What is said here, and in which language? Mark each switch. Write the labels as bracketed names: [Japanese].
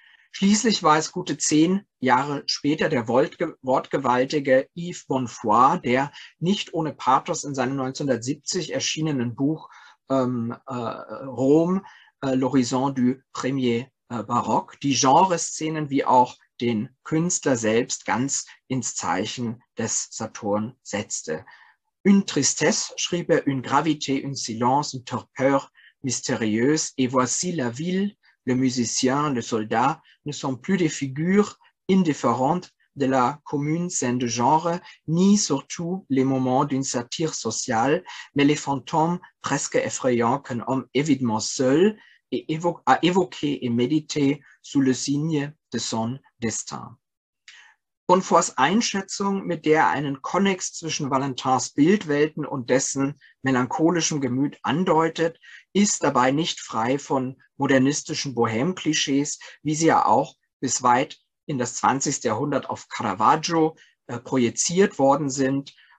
[German] Schließlich war es gute 10 Jahre später der wortgewaltige Yves Bonfoy, der nicht ohne Pathos in seinem 1970 erschienenen Buch Rom, L'horizon du premier Barock die Genreszenen wie auch den Künstler selbst ganz ins Zeichen des Saturn setzte. [French] Une tristesse, [German] schrieb er, [French] une gravité, une silence, une torpeur mystérieuse, et voici la ville, le musicien, le soldat, ne sont plus des figures indifférentes de la commune scène de genre, ni surtout les moments d'une satire sociale, mais les fantômes presque effrayants qu'un homme évidemment seul a évoqué et médité sous le signe de son destin. [German] Bonnefoys Einschätzung, mit der er einen Konnex zwischen Valentins Bildwelten und dessen melancholischem Gemüt andeutet, ist dabei nicht frei von modernistischen Bohème-Klischees, wie sie ja auch bis weit in das 20. Jahrhundert auf Caravaggio projiziert worden sind.